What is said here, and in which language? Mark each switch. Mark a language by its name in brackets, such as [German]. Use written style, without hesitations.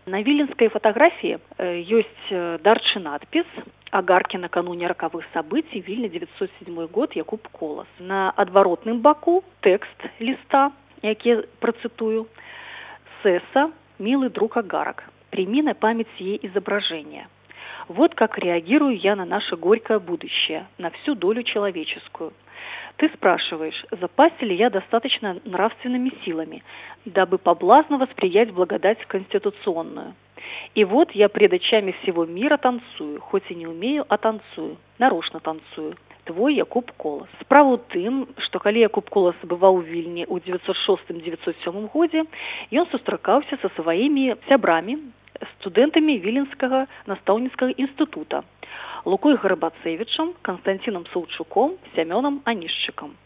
[Belarusian] На віленскай фатаграфіі ёсць дарчы надпіс «Агаркі накануне ракавых сабыцій, Вільня, 907 год, Якуб Колас». На адваротным баку тэкст ліста, які працытую, «Сеса, мілы друг Агарак, прымі на памяць яе ізображэнне. [Russian] Вот как реагирую я на наше горькое будущее, на всю долю человеческую. Ты спрашиваешь, запасе ли я достаточно нравственными силами, дабы поблазно восприять благодать конституционную. И вот я пред очами всего мира танцую, хоть и не умею, а танцую, нарочно танцую. Твой Якуб Колас. [Belarusian] Справа ў тым, што калі Якуб Колас бываў у Вільні ў 906-907 годзе, ён сустракаўся са сваімі сябрамі, студэнтамі віленскага настаўніцкага інстытута Лукой Гарбацэвічам, Канстанцінам Саўчуком, Сямёнам Анішчыкам.